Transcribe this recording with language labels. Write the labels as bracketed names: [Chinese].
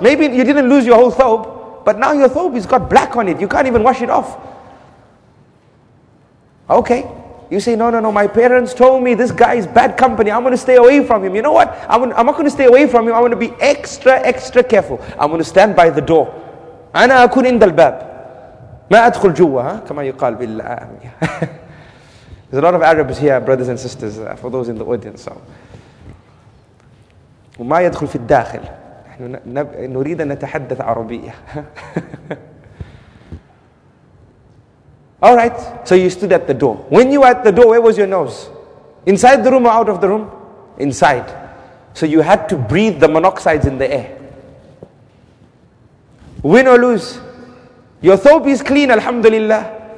[English] Maybe you didn't lose your whole thobe, but now your thobe has got black on it. You can't even wash it off. Okay. You say, no, my parents told me this guy is bad company. I'm going to stay away from him. You know what? I'm not going to stay away from him. I'm going to be extra, extra careful. I'm going to stand by the door. [Arabic] أنا أكون عند الباب ما أدخل جوا كما يقال بالله. [English] There's a lot of Arabs here, brothers and sisters, for those in the audience. [Arabic] So وما يدخل في الداخل نحن نريد أن نتحدث عربية. [English] All right, so you stood at the door. When you were at the door, where was your nose? Inside the room or out of the room? Inside. So you had to breathe the monoxides in the air. Win or lose, your thawb is clean, alhamdulillah.